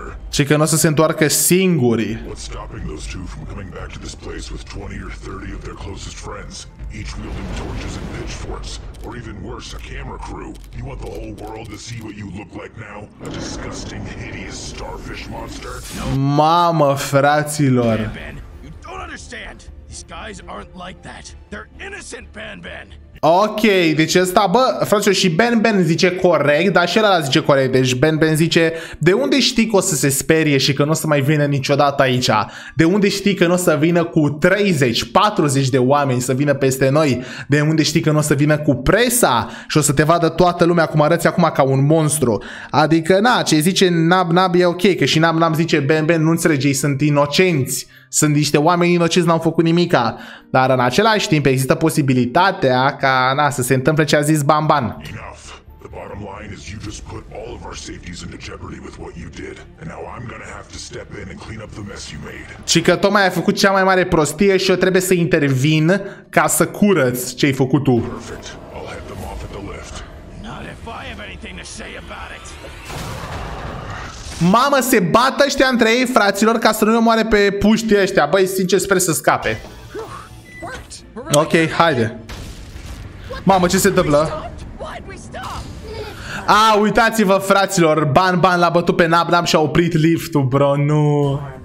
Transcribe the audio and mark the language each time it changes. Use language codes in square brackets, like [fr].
[ro] Și că n-o să se întoarcă singuri. [en] What's stopping those two from coming back to this place with 20 or 30 of their closest friends? Each wielding torches and pitchforks, or even worse, a camera crew. You want the whole world to see what you look like now? A disgusting, hideous starfish monster? No. [ro] Mamă, fraților. [en] Ban-Ban, you don't understand. These guys aren't like that. They're innocent, Ban-Ban. [ro] Ok, deci ăsta, bă, fraților, și Ban-Ban zice corect, dar și el ăla zice corect. Deci Ban-Ban zice, de unde știi că o să se sperie și că nu o să mai vină niciodată aici? De unde știi că nu o să vină cu 30-40 de oameni să vină peste noi? De unde știi că nu o să vină cu presa și o să te vadă toată lumea cum arăți acum ca un monstru? Adică, na, ce zice Nab-Nab e ok, că și Nab-Nab zice Ban-Ban, nu înțelege, ei sunt inocenți. Sunt niște oameni inocenți, n-au făcut nimica. Dar în același timp există posibilitatea ca, na, să se întâmple ce a zis Ban-Ban. [en] Enough. The bottom line is you just put all of our safeties into jeopardy with what you did. And now I'm gonna have to step in and clean up the mess you made. [ro] Și că tocmai ai făcut cea mai mare prostie și eu trebuie să intervin ca să curăț ce ai făcut tu. [en] Perfect. I'll head them off at the lift. Not if I have anything to say about it. [ro] Mamă, se bată ăștia între ei, fraților, ca să nu omoare pe puștii ăștia. Băi, sincer, sper să scape. Ok, haide. Mamă, ce se întâmplă? Uitați-vă, fraților, Ban-Ban l-a bătut pe Nab-Nab și a oprit liftul, bro, nu.